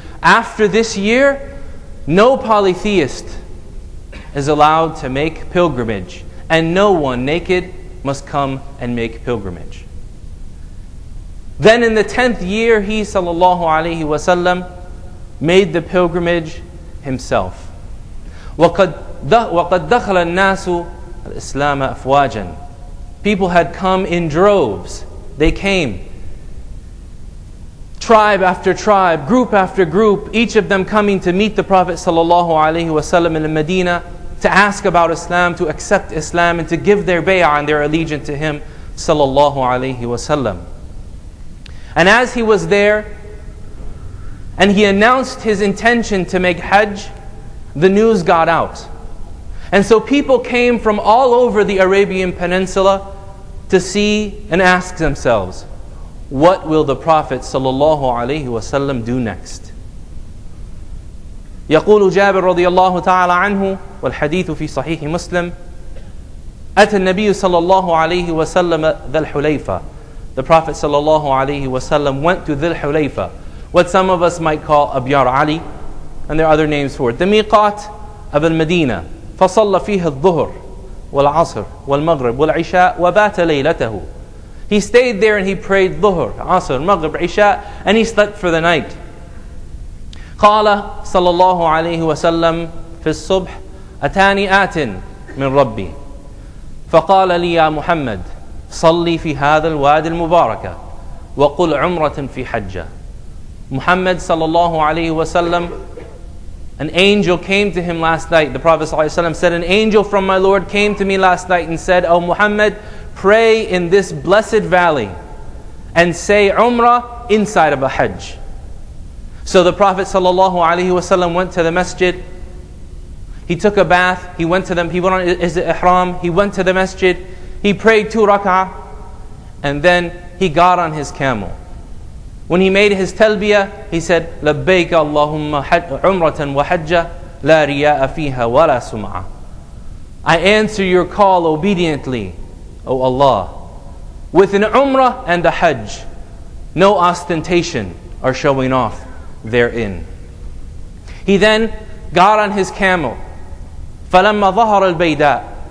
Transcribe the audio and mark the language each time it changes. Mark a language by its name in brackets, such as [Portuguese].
[English] After this year, no polytheist is allowed to make pilgrimage, and no one naked must come and make pilgrimage. Then in the 10th year, he sallallahu alayhi wasallam made the pilgrimage himself. [Arabic] وَقَدْ دَخَلَ النَّاسُ الإسلام أفواجا. [English] People had come in droves. They came, tribe after tribe, group after group, each of them coming to meet the Prophet sallallahu alaihi wasallam in Medina to ask about Islam, to accept Islam, and to give their bay'ah and their allegiance to him sallallahu alaihi wasallam. And as he was there and he announced his intention to make Hajj, the news got out. And so people came from all over the Arabian Peninsula to see and ask themselves, what will the Prophet sallallahu alaihi wasallam do next? [Arabic] يقول جابر رضي الله تعالى عنه والحديث في صحيح مسلم أتى النبي صلى الله عليه وسلم ذي الحليفة. [English] The Prophet sallallahu alaihi wasallam went to ذي الحليفة, what some of us might call Abyar Ali, and there are other names for it, the Miqat of Al-Madinah. [Arabic] فصلى فيه الظهر والعصر والمغرب والعشاء وبات ليلته. [English] He stayed there and he prayed ظهر, عصر, مغرب, عشاء, and he slept for the night. [Arabic] قال صلى الله عليه وسلم في الصبح أتاني آت من ربي فقال لي يا محمد صلي في هذا الوادي المبارك وقل عمرة في حجة. [English] Muhammad sallallahu alayhi wa sallam, an angel came to him last night. The Prophet sallallahu alayhi wa sallam said, an angel from my Lord came to me last night and said, O Muhammad, pray in this blessed valley and say Umrah inside of a Hajj. So the Prophet sallallahu alayhi wa sallam went to the masjid. He took a bath. He went on his ihram. He went to the masjid. He prayed 2 rak'ah. And then he got on his camel. When he made his talbiyah, he said, [Arabic] لبيك اللهم عمرة وحجة لا رياء فيها ولا سمعة. [English] I answer your call obediently, O Allah, with an umrah and a hajj, no ostentation or showing off therein. He then got on his camel. [Arabic] فلما ظهر البيداء.